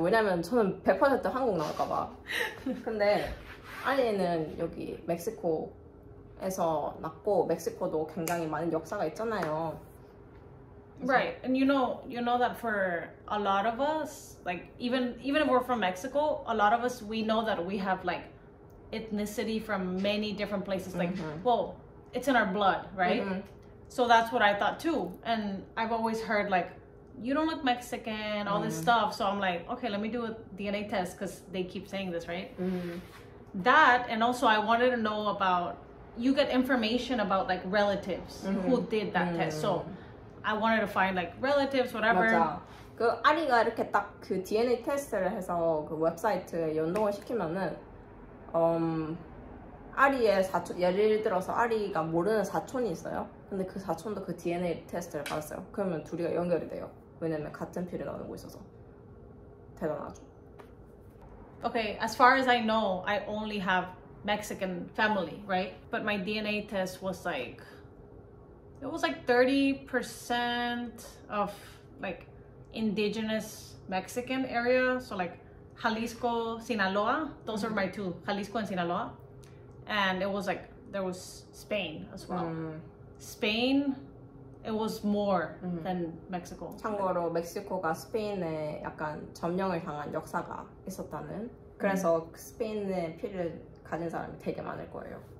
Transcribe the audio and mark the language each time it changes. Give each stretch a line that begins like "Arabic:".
Korean: 왜냐면 저는 100% 한국 나올까 봐. 근데 아리는 여기 멕시코에서 났고 멕시코도 굉장히 많은 역사가 있잖아요.
English: Right, and you know that for a lot of us, like even if we're from Mexico, a lot of us we know that we have like ethnicity from many different places. Like, well, it's in our blood, right? Mm-hmm. So that's what I thought too. And I've always heard like, you don't look Mexican, all this stuff. So I'm like, okay, let me do a DNA test because they keep saying this, right? Mm-hmm. That and also I wanted to know about you get information about like relatives who did that test. So. I wanted to find like relatives, whatever.
Korean: 맞아. 그 아리가 이렇게 딱 그 DNA 테스트를 해서 그 웹사이트에 연동을 시키면은 아리의 사촌, 예를 들어서 아리가 모르는 사촌이 있어요. 근데 그 사촌도 그 DNA 테스트를 받았어요. 그러면 둘이 연결이 돼요. 왜냐면 같은 피를 나누고 있어서. 대단하죠.
English: Okay, as far as I know, I only have Mexican family, right? But my DNA test was like, it was like 30% of like indigenous Mexican area. So like Jalisco, Sinaloa, those mm-hmm. are my two, Jalisco and Sinaloa. And it was like, there was Spain as well. Mm. Spain, it was more mm-hmm. than Mexico.
Korean: 참고로 멕시코가 스페인에 약간 점령을 당한 역사가 있었다는. 그래서 mm-hmm. 스페인의 피를 가진 사람이 되게 많을 거예요.